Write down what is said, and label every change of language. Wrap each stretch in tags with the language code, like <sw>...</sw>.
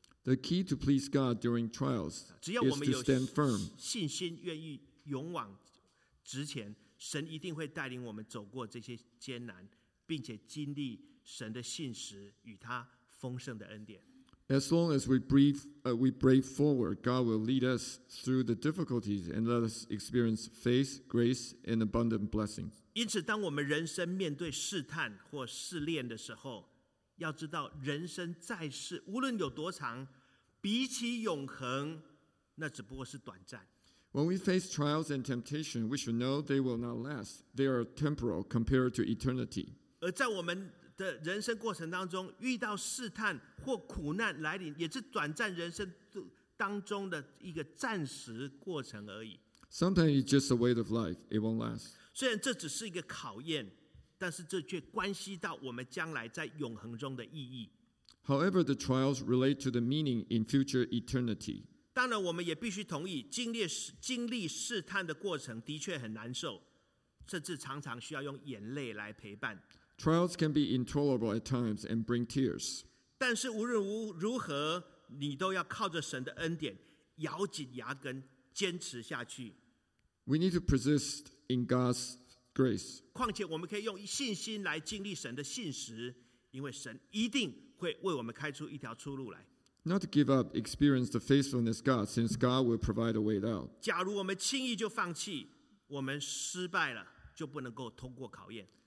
<en>The key to please God during trials is to stand firm.</en> <zh>信心愿意勇往直前，神一定会带领我们走过这些艰难，并且经历神的信实与他丰盛的恩典。</zh> <en>As long as we brave forward, God will lead us through the difficulties and let us experience faith, grace, and abundant blessings.</en> <zh>因此，当我们人生面对试探或试炼的时候，要知道人生在世无论有多长，比起永恒那只不过是短暂。</zh> <en>When we face trials and temptation, we should know they will not last. They are temporal compared to eternity.</en> <zh>而在我们的人生过程当中遇到试探或苦难来临，也是短暂人生当中的一个暂时过程而已。</zh> <en>Sometimes it's just a way of life. It won't last.</en> <zh>虽然这只是一个考验，但是这却关系到我们将来在永恒中的意义。</zh> <en>However, the trials relate to the meaning in future eternity.</en> <zh>当然，我们也必须同意，经历试探的过程的确很难受，甚至常常需要用眼泪来陪伴。</zh> <en>Trials can be intolerable at times and bring tears.</en> <zh>但是无论如何，你都要靠着神的恩典，咬紧牙根，坚持下去。</zh> <en>We need to persist in God's. Grace.</en> <zh>况且我们可以用信心来经历神的信实，因为神一定会为我们开出一条出路来。</zh> <en>Not to give up, experience the faithfulness of God, since God will provide a way out.</en> <zh>假如我们轻易就放弃，我们失败了，就不能够通过考验。</zh>